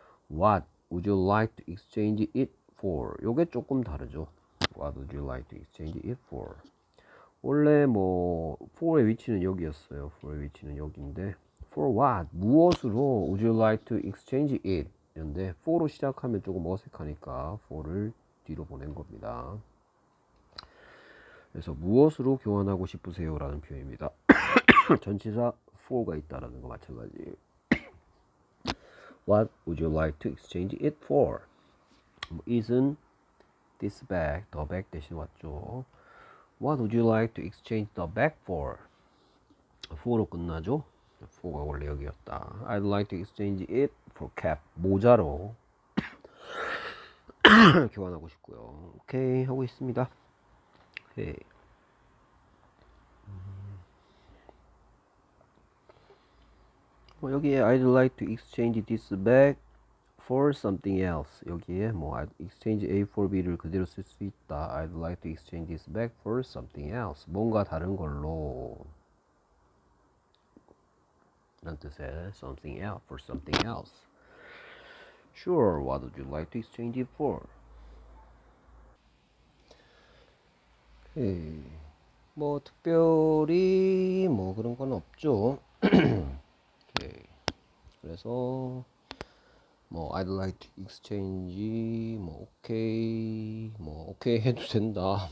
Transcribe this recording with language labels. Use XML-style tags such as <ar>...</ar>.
<en>What would you like to exchange it for?</en> <ko>요게 조금 다르죠.</ko> <en>What would you like to exchange it for?</en> <ko>원래 뭐 for의 위치는 여기였어요. for의 위치는 여기인데</ko> <en>for what?</en> <ko>무엇으로</ko> <en>would you like to exchange it?</en> <ko>이런데 for로 시작하면 조금 어색하니까 for를 뒤로 보낸 겁니다. 그래서 무엇으로 교환하고 싶으세요? 라는 표현입니다. 전치사 for가 있다라는 거 마찬가지.</ko> <en>What would you like to exchange it for? Isn't this bag, the bag</en> <ko>대신 왔죠.</ko> <en>What would you like to exchange the bag for?</en> <ko>for로 끝나죠. for가 원래 여기였다.</ko> <en>I'd like to exchange it for cap,</en> <ko>모자로. 교환하고 싶고요. 오케이 하고 있습니다. 오케이. 뭐 여기에</ko> <en>I'd like to exchange this bag for something else.</en> <ko>여기에 뭐</ko> <en>I'd exchange A for B를</en> <ko>그대로 쓸수 있다.</ko> <en>I'd like to exchange this bag for something else.</en> <ko>뭔가 다른 걸로. 라는 뜻에</ko> <en>something else for something else. Sure, what would you like to exchange it for?</en> <ko>예. 뭐 특별히 뭐 그런 건 없죠. 그래서 뭐</ko> <en>I'd like to exchange</en> <ko>뭐 오케이 뭐 오케이 해도 된다.</ko>